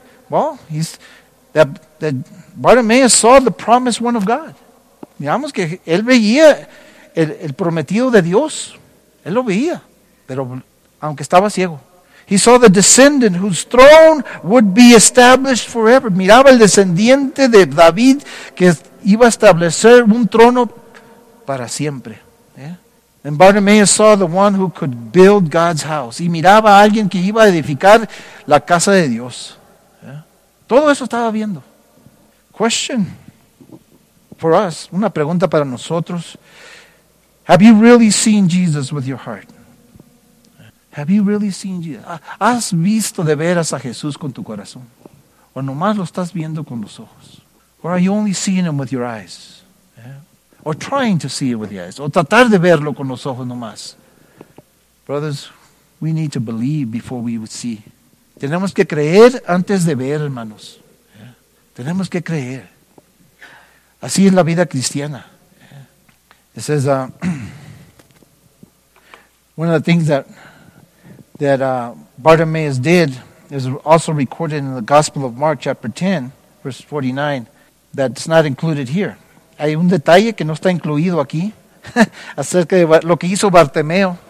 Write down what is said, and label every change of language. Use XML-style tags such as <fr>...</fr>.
<en>Well, that Bartimaeus saw the promised one of God.</en> <es>Miramos que él veía el prometido de Dios. Él lo veía, pero aunque estaba ciego.</es> <en>He saw the descendant whose throne would be established forever.</en> <es>Miraba el descendiente de David que iba a establecer un trono para siempre.</es> <en>And Bartimaeus saw the one who could build God's house.</en> <es>Y miraba a alguien que iba a edificar la casa de Dios. Yeah. Todo eso estaba viendo.</es> <en>Question for us.</en> <es>Una pregunta para nosotros.</es> <en>Have you really seen Jesus with your heart? Have you really seen Jesus?</en> <es>¿Has visto de veras a Jesús con tu corazón? ¿O nomás lo estás viendo con los ojos?</es> <en>Or are you only seeing him with your eyes? Or trying to see it with the eyes.</en> <es>O tratar de verlo con los ojos nomás.</es> <en>Brothers, we need to believe before we would see.</en> <es>Tenemos que creer antes de ver, hermanos. Yeah. Tenemos que creer. Así es la vida cristiana. Yeah.</es> <en>This is one of the things that Bartimaeus did is also recorded in the Gospel of Mark, chapter 10, verse 49, that's not included here.</en> <es>Hay un detalle que no está incluido aquí acerca de lo que hizo Bartimeo.</es>